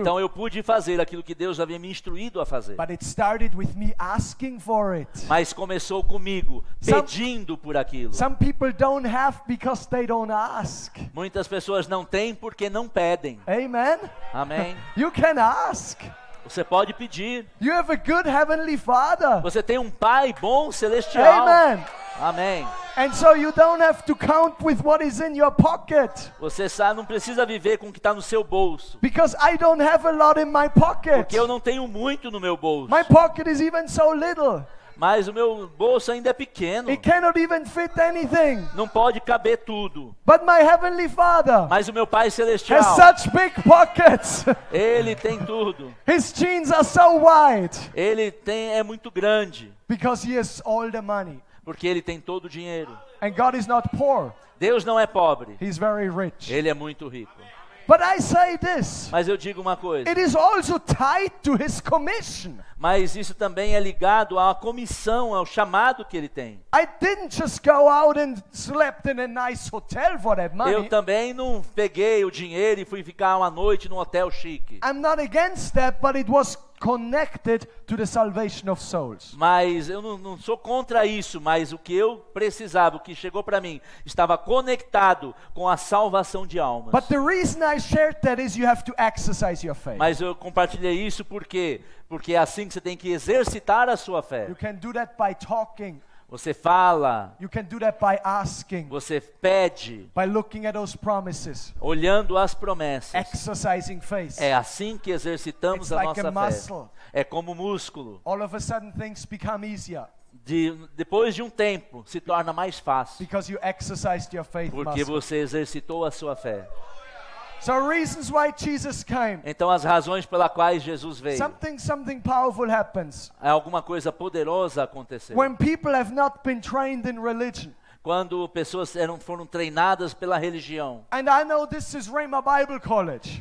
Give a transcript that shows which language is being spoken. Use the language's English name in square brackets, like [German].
[Portuguese] Então eu pude fazer aquilo que Deus havia me instruído a fazer. [English] But it started with me asking for it. [Portuguese] Mas começou comigo pedindo por aquilo. [English] Some people don't have because they don't ask. [Portuguese] Muitas pessoas não têm porque não pedem. [English] Amen. [Portuguese] Amém. [English] You can ask. [Portuguese] Você pode pedir. [English] You have a good heavenly father. [Portuguese] Você tem um pai bom celestial. [English] Amen. [Portuguese] Amém. [English] And so you don't have to count with what is in your pocket. [Portuguese] Você sabe, não precisa viver com o que está no seu bolso. [English] Because I don't have a lot in my pocket. [Portuguese] Porque eu não tenho muito no meu bolso. [English] My pocket is even so little. [Portuguese] Mas o meu bolso ainda é pequeno. [English] It cannot even fit anything. [Portuguese] Não pode caber tudo. [English] But my heavenly father. [Portuguese] Mas o meu pai celestial. [English] Has such big pockets. [Portuguese] Ele tem tudo. [English] His jeans are so wide. [Portuguese] Ele tem é muito grande. [English] Because he has all the money. [Portuguese] Porque ele tem todo o dinheiro. [English] And God is not poor. [Portuguese] Deus não é pobre. [English] He is very rich. [Portuguese] Ele é muito rico. [English] But I say this. [Portuguese] Mas eu digo uma coisa. [English] It is also tied to his commission. [Portuguese] Mas isso também é ligado à comissão, ao chamado que ele tem. [English] I didn't just go out and slept in a nice hotel for that money. [Portuguese] Eu também não peguei o dinheiro e fui ficar uma noite num hotel chique. [English] I'm not against that, but it was connected to the salvation of souls. [Portuguese] Mas eu não sou contra isso, mas o que eu precisava, o que chegou para mim, estava conectado com a salvação de almas. [English] But the reason I shared that is you have to exercise your faith. [Portuguese] Mas eu compartilhei isso porque é assim que você tem que exercitar a sua fé. [English] You can do that by talking. [Portuguese] Você fala. [English] You can do that by asking. [Portuguese] Você pede. [English] By looking at those promises. [Portuguese] Olhando as promessas. [English] Exercising faith. [Portuguese] É assim que exercitamos [English] It's [Portuguese] a [English] like [Portuguese] nossa [English] a [Portuguese] fé. [English] Muscle. [Portuguese] É como músculo. [English] All of a sudden things become easier. [Portuguese] Depois de um tempo, se torna mais fácil. [English] Because you exercised your faith muscle. [Portuguese] Porque você exercitou a sua fé. [English] So reasons why Jesus came. [Portuguese] Então as razões pelas quais Jesus veio. [English] Something powerful happens. [Portuguese] Alguma coisa poderosa aconteceu. [English] When people have not been trained in religion. [Portuguese] Quando pessoas foram treinadas pela religião. [English] And I know this is Rhema Bible College.